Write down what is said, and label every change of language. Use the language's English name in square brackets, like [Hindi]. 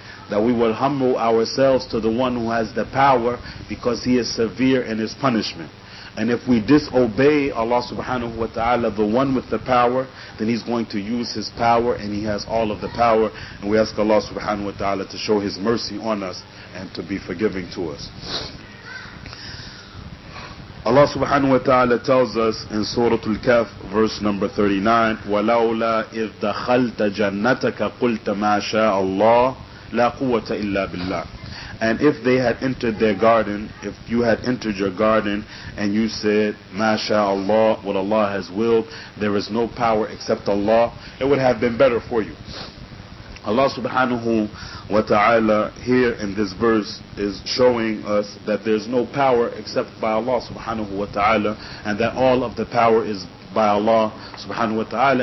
[English] That we will humble ourselves to the one who has the power, because he is severe in his punishment. And if we disobey Allah subhanahu wa ta'ala, the one with the power, then he's going to use his power, and he has all of the power. And we ask Allah subhanahu wa ta'ala to show his mercy on us and to be forgiving to us. Allah subhanahu wa ta'ala tells us in Surah Al-Kahf, verse number 39, [Arabic] وَلَوْلَا إِذْ دَخَلْتَ جَنَّتَكَ قُلْتَ مَا شَاءَ اللَّهُ لَا قُوَّةَ إِلَّا بِاللَّهِ. [English] And if they had entered their garden, if you had entered your garden and you said, [Arabic] مَا شَاءَ اللَّهُ, [English] what Allah has willed, there is no power except Allah, it would have been better for you. Allah subhanahu wa ta'ala here in this verse is showing us that there's no power except by Allah subhanahu wa ta'ala, and that all of the power is by Allah subhanahu wa ta'ala.